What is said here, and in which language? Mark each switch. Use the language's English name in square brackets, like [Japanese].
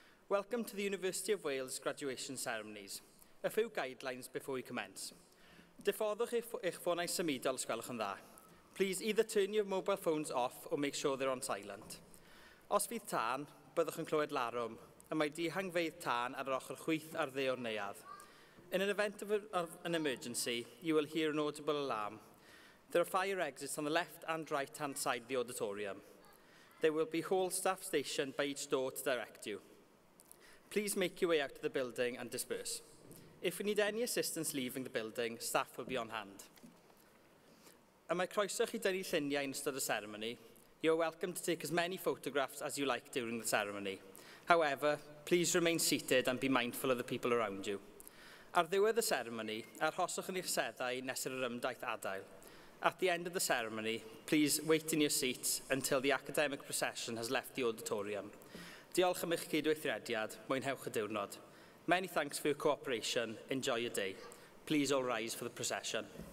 [English] Welcome to the University of Wales Graduation Ceremonies. A few guidelines before we commence. [Welsh] Diffoddwch eich ffonau symudol os gwelwch yn dda. [English] Please either turn your mobile phones off or make sure they're on silent. [Welsh] Os fydd tân, byddwch yn clywed larwm, y mae dihangfeidd tân ar yr ochr chwith ar dde o'r neuadd. [English] In an event of an emergency, you will hear an audible alarm. There are fire exits on the left and right hand side of the auditorium. There will be hall staff stationed by each door to direct you. Please make your way out of the building and disperse. If we need any assistance leaving the building, staff will be on hand. [Welsh] Am I croeso chi dynnu lluniau yn ystod y ceremony? [English] You're welcome to take as many photographs as you like during the ceremony. However, please remain seated and be mindful of the people around you. [Welsh] Ar ddiwedd y ceremony, arhoswch yn eich seddau nes yr ymdaith adael. [English] At the end of the ceremony, please wait in your seats until the academic procession has left the auditorium. [Welsh] Diolch am eich cydweithrediad, mwynhewch y diwrnod. [English] Many thanks for your cooperation. Enjoy your day. Please all rise for the procession.